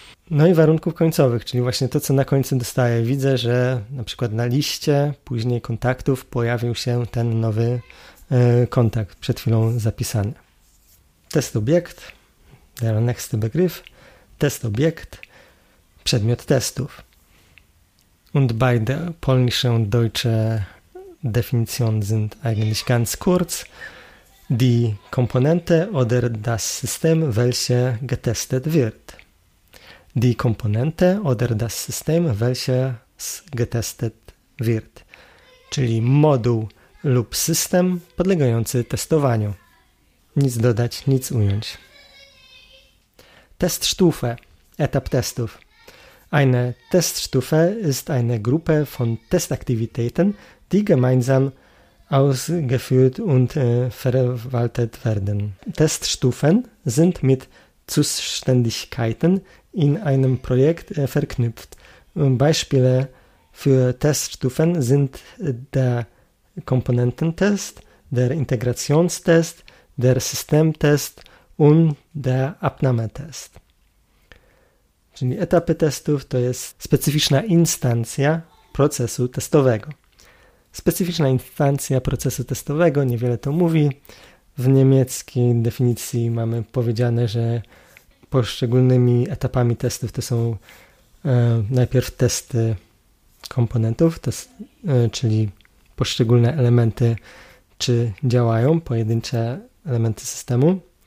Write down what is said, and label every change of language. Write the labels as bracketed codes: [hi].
[pl] No i warunków końcowych, czyli właśnie to, co na końcu dostaję. Widzę, że na przykład na liście później kontaktów pojawił się ten nowy kontakt przed chwilą zapisany. [de] Test obiekt, der nächste Begriff, test obiekt, [pl] przedmiot testów. [de] Und bei der polnischen und deutschen Definition sind eigentlich ganz kurz. Die Komponente oder das System, welche getestet wird. Die Komponente oder das System, welches getestet wird. [pl] Czyli moduł lub system podlegający testowaniu. Nic dodać, nic ująć. Teststufe, etap testów. [de] Eine Teststufe ist eine Gruppe von Testaktivitäten, die gemeinsam ausgeführt und verwaltet werden. Teststufen sind mit Zuständigkeiten in einem Projekt verknüpft. Beispiele für Teststufen sind der Komponententest, der Integrationstest, der Systemtest und der Abnahmetest. [pl] Czyli etapy testów to jest specyficzna instancja procesu testowego. Specyficzna instancja procesu testowego, niewiele to mówi. W niemieckiej definicji mamy powiedziane, że poszczególnymi etapami testów to są najpierw testy komponentów, czyli poszczególne elementy, czy działają pojedyncze elementy systemu.